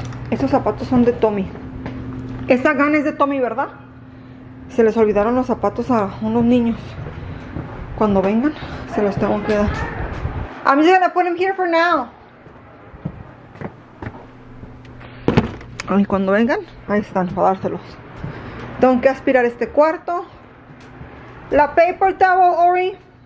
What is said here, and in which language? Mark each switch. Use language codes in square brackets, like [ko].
[es] Estos zapatos son de Tommy. Esta gana es de Tommy, ¿verdad? Se les olvidaron los zapatos a unos niños. Cuando vengan, se los tengo que dar. [en] I'm just gonna put them here for now. [es] Y cuando vengan, ahí están, para dárselos. Tengo que aspirar este cuarto. [en] La paper towel, Ori.